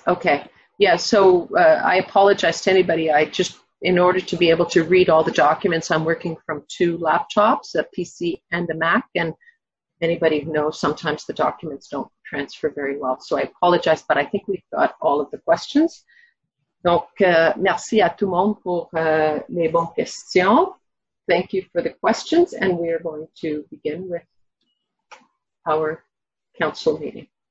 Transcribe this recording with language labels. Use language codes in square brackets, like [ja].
[en] Okay. Yeah, so I apologize to anybody. I just, in order to be able to read all the documents, I'm working from two laptops, a PC and a Mac, and anybody who knows, sometimes the documents don't transfer very well. So I apologize, but I think we've got all of the questions. [fr] Donc, merci à tout le monde pour les bonnes questions. [en] Thank you for the questions, and we are going to begin with our council meeting.